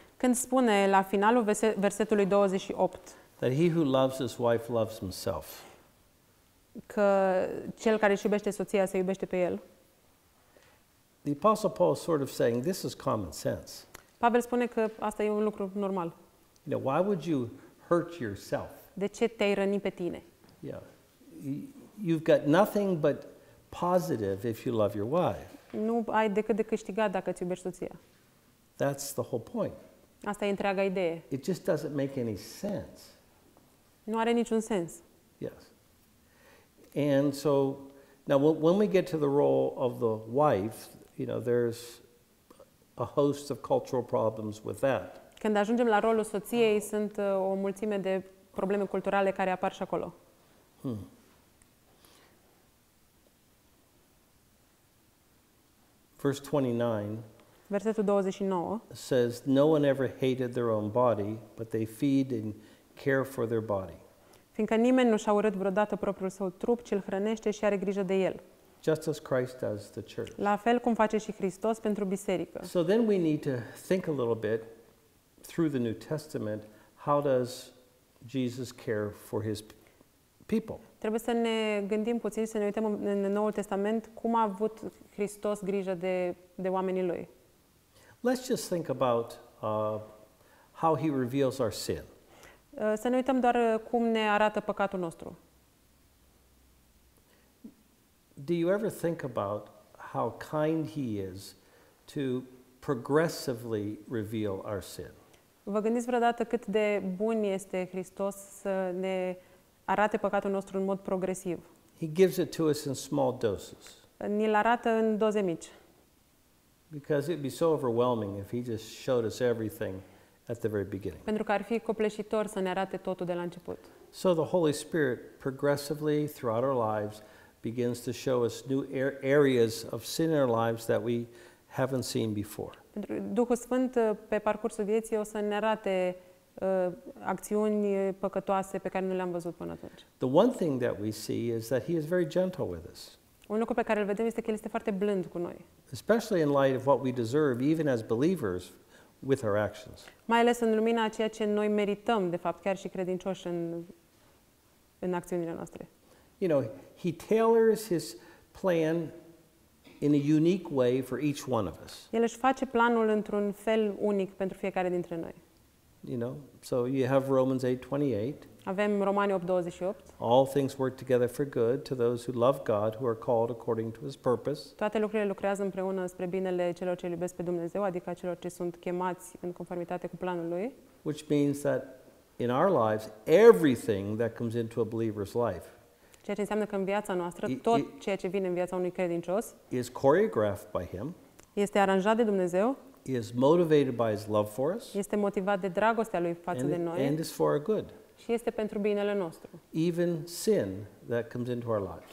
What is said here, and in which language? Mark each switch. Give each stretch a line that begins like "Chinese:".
Romanian: Când spune la finalul versetului 28.
English: That he who loves his wife loves himself.
Romanian: Că cel care își iubește soția se iubește pe el.
English: The Apostle Paul is sort of saying this is common sense.
Romanian: Pavel spune că asta e un lucru normal.
English: Now, why would you hurt yourself?
Romanian: De ce te-ai răni pe tine?
English: Yeah. You've got nothing but positive if you love your wife.
Romanian: Nu ai decât de câștigat dacă îți iubești soția.
English: That's the whole point.
Romanian: Asta e întreaga idee.
English: It just doesn't make any sense.
Romanian: Nu are niciun sens.
English: Yes. And so now when we get to the role of the wife, you know, there's a host of cultural problems with that.
Romanian: Când ajungem la rolul soției, sunt o mulțime de probleme culturale care apar și acolo. Hmm.
English: Verse 29.
Romanian: Versetul 29.
English: Says no one ever hated their own body, but they feed and care for their body.
Romanian: Fiindcă nimeni nu și-a urât vreodată propriul său trup, ci îl hrănește și are grijă de el.
English: Just as Christ does the church.
Romanian: La fel cum face și Hristos pentru biserică.
English: So then we need to think a little bit through the New Testament, how does Jesus care for his people?
Romanian: Trebuie să ne gândim puțin, să ne uităm în Noul Testament, cum a avut Hristos grijă de oamenii lui.
English: Let's just think about how he reveals our sin.
Romanian: Să ne uităm doar cum ne arată păcatul nostru.
English: Do you ever think about how kind he is to progressively reveal our sin?
Romanian: Vă gândiți vreodată cât de bun este Hristos să ne arate păcatul nostru în mod progresiv?
English: He gives it to us in small doses.
Romanian: ni-l arată în doze mici.
English: Because it'd be so overwhelming if he just showed us everything at the very beginning.
Romanian: Pentru că ar fi copleșitor să ne arate totul de la început.
English: So the Holy Spirit progressively throughout our lives begins to show us new areas of sin in our lives that we haven't seen before.
Romanian: Pentru Duhul Sfânt pe parcursul vieții o să ne arate acțiuni păcătoase pe care nu le-am văzut până atunci.
English: The one thing that we see is that he is very gentle with us.
Romanian: Un lucru pe care îl vedem este că el este foarte blând cu noi.
English: Especially in light of what we deserve even as believers with our actions.
Romanian: Mai ales în lumina a ceea ce noi merităm de fapt chiar și credincioși în acțiunile noastre.
English: You know, he tailors his plan in a unique way for each one of us.
Romanian: El își face planul într-un fel unic pentru fiecare dintre noi.
English: You know, so you have Romans 8:28.
Romanian: Avem Romani 8:28.
English: All things work together for good to those who love God, who are called according to his purpose.
Romanian: Toate lucrurile lucrează împreună spre binele celor ce iubesc pe Dumnezeu, adică celor ce sunt chemați în conformitate cu planul lui.
English: Which means that in our lives everything that comes into a believer's life.
Romanian: Ceea ce înseamnă că în viața noastră tot ceea ce vine în viața unui credincios
English: is choreographed by him.
Romanian: Este aranjat de Dumnezeu.
English: He is motivated by his love for us.
Romanian: Este motivat de dragostea lui față de noi.
English: And is for our good.
Romanian: Și este pentru binele nostru.
English: Even sin that comes into our lives.